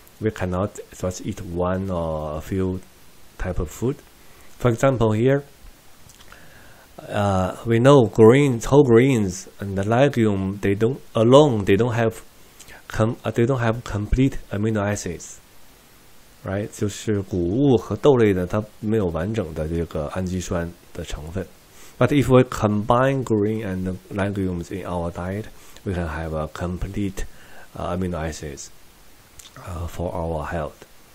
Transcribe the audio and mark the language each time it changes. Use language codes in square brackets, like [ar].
[en] We cannot just eat one or a few type of food. For example, here, we know greens, whole greens and the legume, they don't have complete amino acids, right? [zh] 就是谷物和豆类的，它没有完整的这个氨基酸的成分。 [en] But if we combine green and legumes in our diet, we can have a complete amino acids for our health.